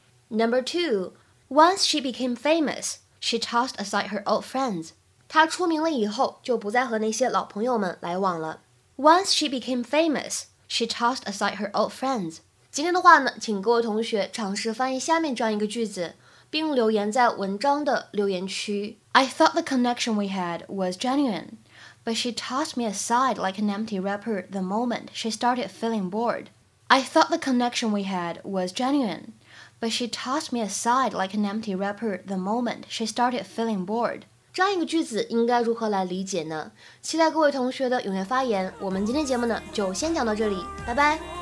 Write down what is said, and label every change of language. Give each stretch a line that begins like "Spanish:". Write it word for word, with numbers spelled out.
English: Number two, once she became famous, she tossed aside her old friends.
Chinese: 她出名了以后，就不再和那些老朋友们来往了。
English: Once she became famous, she tossed aside her old friends.
Chinese: 今天的话呢，请各位同学尝试翻译下面这样一个句子，并留言在文章的留言区。
English: I thought the connection we had was genuine, but she tossed me aside like an empty wrapper the moment she started feeling bored. I thought the connection we had was genuine, but she tossed me aside like an empty wrapper the moment she started feeling bored.
Chinese: 这样一个句子应该如何来理解呢？期待各位同学的踊跃发言。我们今天节目呢，就先讲到这里，拜拜。